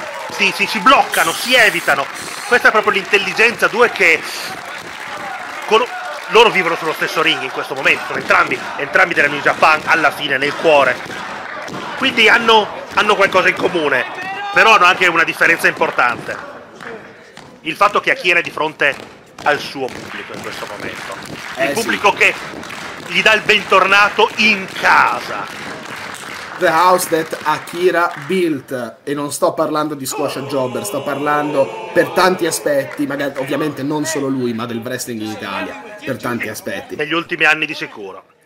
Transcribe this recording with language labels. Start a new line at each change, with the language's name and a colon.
Italian: Sì, si bloccano, si evitano. Questa è proprio l'intelligenza, due che loro vivono sullo stesso ring in questo momento, sono entrambi della New Japan alla fine nel cuore. Quindi hanno qualcosa in comune, però hanno anche una differenza importante. Il fatto che Akira è di fronte al suo pubblico in questo momento. Il pubblico sì, che gli dà il bentornato in casa.
English: The house that Akira built.
Italian: E non sto parlando di
English: squash and jobber,
Italian: sto parlando per tanti aspetti, magari ovviamente non solo lui, ma del wrestling in Italia, per tanti aspetti. Negli ultimi anni di sicuro.